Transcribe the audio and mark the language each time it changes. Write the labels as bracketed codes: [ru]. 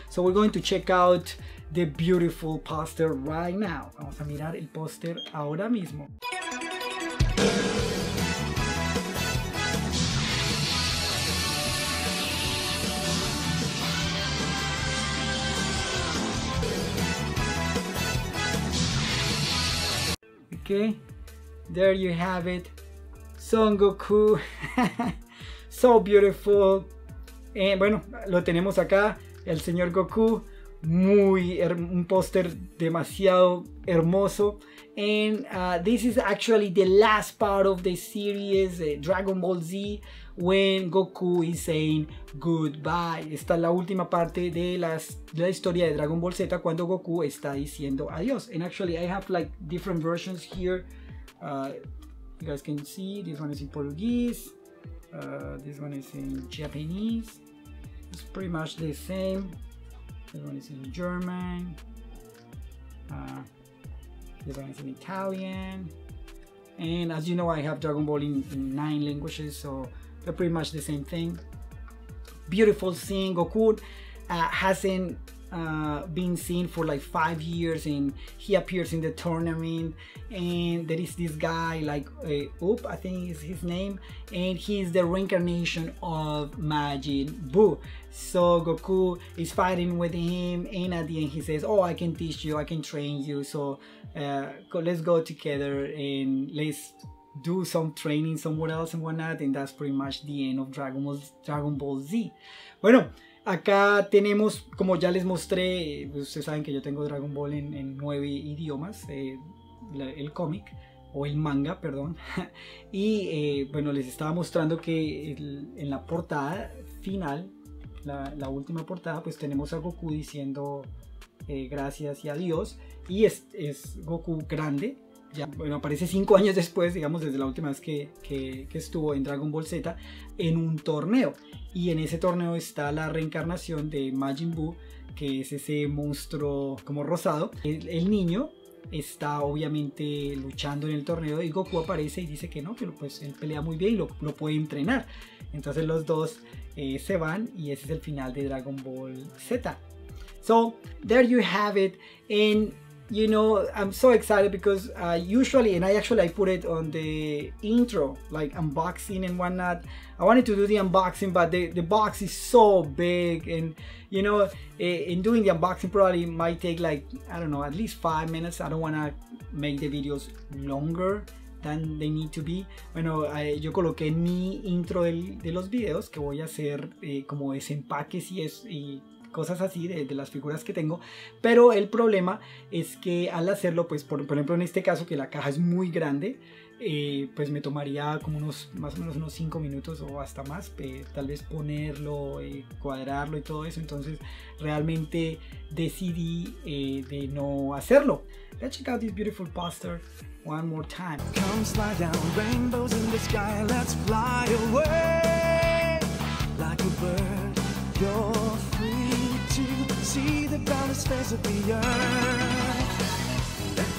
[en] So we're going to check out the beautiful poster right now. [es] Vamos a mirar el póster ahora mismo. [en] Okay, there you have it, Son Goku, so beautiful, [es] bueno, lo tenemos acá, el señor Goku, muy un póster demasiado hermoso, [en] and this is actually the last part of the series, Dragon Ball Z, when Goku is saying goodbye. [es] Esta es la última parte de la historia de Dragon Ball Z cuando Goku está diciendo adiós. [en] And actually I have like different versions here. You guys can see this one is in Portuguese. This one is in Japanese. It's pretty much the same. This one is in German. This one is in Italian. And as you know, I have Dragon Ball in 9 languages, so they're pretty much the same thing. Beautiful scene. Goku hasn't been seen for like 5 years, and he appears in the tournament, and there is this guy like Oop, I think is his name, and he is the reincarnation of Majin Buu. So Goku is fighting with him, and at the end he says, oh, I can teach you, I can train you, so let's go together and let's do some training somewhere else and whatnot, and that's pretty much the end of Dragon Ball Z. [es] Bueno, acá tenemos, como ya les mostré, ustedes saben que yo tengo Dragon Ball en 9 idiomas, el cómic, o el manga, perdón, y bueno, les estaba mostrando que en la portada final, la última portada, pues tenemos a Goku diciendo gracias y adiós, y es Goku grande. Ya, bueno, aparece 5 años después, digamos, desde la última vez que estuvo en Dragon Ball Z, en un torneo. Y en ese torneo está la reencarnación de Majin Buu, que es ese monstruo como rosado. El niño está obviamente luchando en el torneo y Goku aparece y dice que no, que pues él pelea muy bien y lo puede entrenar. Entonces los dos se van y ese es el final de Dragon Ball Z. [en] So, there you have it. You know, I'm so excited because usually, and I put it on the intro, like unboxing and whatnot. I wanted to do the unboxing, but the box is so big, and you know, in doing the unboxing probably might take like, I don't know, at least 5 minutes. I don't want to make the videos longer than they need to be. [es] Bueno, yo coloqué en mi intro de los videos que voy a hacer como desempaques y cosas así de las figuras que tengo, pero el problema es que al hacerlo, pues por ejemplo en este caso que la caja es muy grande, pues me tomaría como unos más o menos unos 5 minutos o hasta más, tal vez ponerlo, cuadrarlo y todo eso, entonces realmente decidí de no hacerlo. [en] Let's check out this beautiful poster one more time. Come slide down, rainbows in the sky, let's fly away like a bird. See the boundless face of the earth.